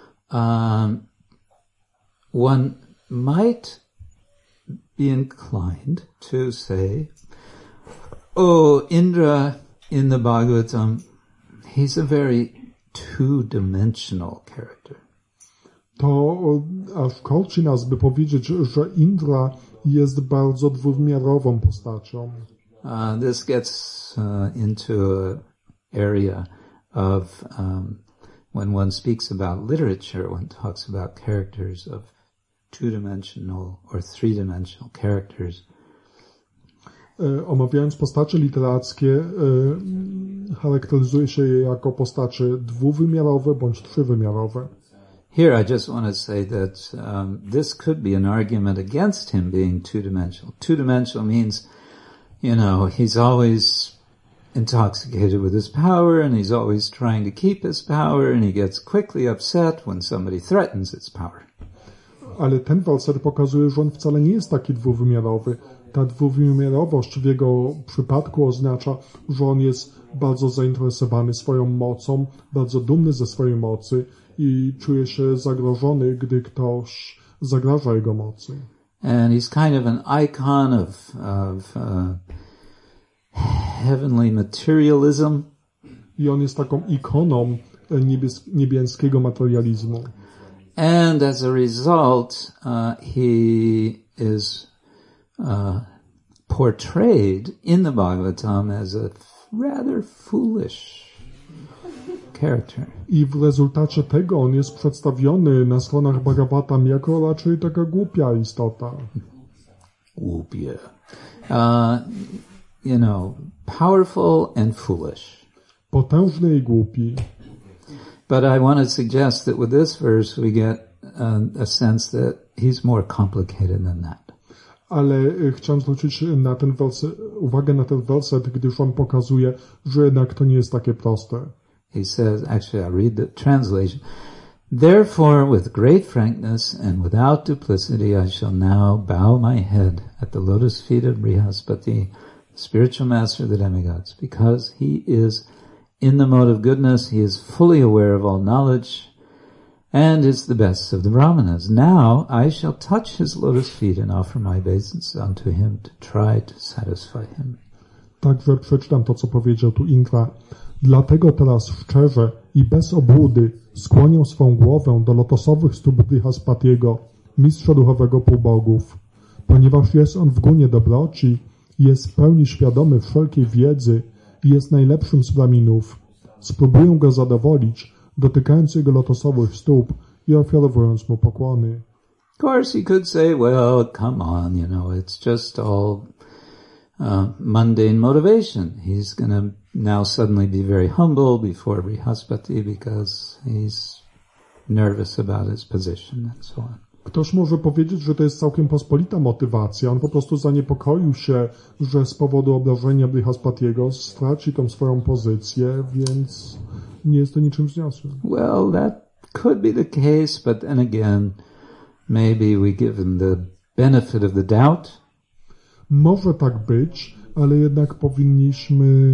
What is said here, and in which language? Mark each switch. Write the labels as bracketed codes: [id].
[en] one might be inclined to say, oh, Indra in the Bhagavatam, he's a very two-dimensional character. [pl] To aż kolczy nas, by powiedzieć, że Indra jest bardzo dwuwymiarową postacią. [en] This gets into an area of when one speaks about literature, one talks about characters of two-dimensional or three-dimensional characters. [pl] Omawiając postacie literackie, charakteryzuje się je jako postacie dwuwymiarowe bądź trzywymiarowe. [en] Here I just want to say that this could be an argument against him being two-dimensional. Two-dimensional means, you know, he's always intoxicated with his power and he's always trying to keep his power and he gets quickly upset when somebody threatens his power. [pl] Ale ten werset pokazuje, że on wcale nie jest taki dwuwymiarowy. Ta dwuwymiarowość w jego przypadku oznacza, że on jest bardzo zainteresowany swoją mocą, bardzo dumny ze swojej mocy i czuje się zagrożony, gdy ktoś zagraża jego mocy. [en] And he's kind of an icon of heavenly materialism. [pl] I on jest taką ikoną niebieskiego materializmu. [en] And as a result, he is portrayed in the Bhagavatam as a rather foolish character. [pl] I w rezultacie tego on jest przedstawiony na stronach Bhagavatam jako raczej taka głupia istota. Głupia. [en] You know, powerful and foolish. [pl] Potężny i głupi. [en] But I want to suggest that with this verse we get a sense that he's more complicated than that. [pl] Ale chciałem zwrócić na ten werset, uwagę na ten werset, gdyż on pokazuje, że jednak to nie jest takie proste. [en] He says, actually I'll read the translation. Therefore, with great frankness and without duplicity, I shall now bow my head at the lotus feet of Brihaspati, spiritual master of the demigods, because he is in the mode of goodness, he is fully aware of all knowledge, and is the best of the brahmanas. Now I shall touch his lotus feet and offer my obeisance unto him to try to satisfy him. [pl] Także przeczytam to, co powiedział tu Indra. Dlatego teraz szczerze i bez obłudy skłonię swą głowę do lotosowych stóp Brihaspatiego, mistrza duchowego półbogów. Ponieważ jest on w gunie dobroci, jest w pełni świadomy wszelkiej wiedzy i jest najlepszym z braminów, spróbuję go zadowolić, dotykając jego lotosowych stóp i ofiarowując mu pokłony. [en] Of course he could say, well, come on, you know, it's just all mundane motivation. He's gonna now suddenly be very humble before Brihaspati because he's nervous about his position and so on. [pl] Ktoś może powiedzieć, że to jest całkiem pospolita motywacja. On po prostu zaniepokoił się, że z powodu obrażenia Brihaspatiego straci tą swoją pozycję, więc nie jest to niczym wzniosłym. [en] Well, that could be the case, but then again, maybe we give him the benefit of the doubt. [pl] Może tak być, ale jednak powinniśmy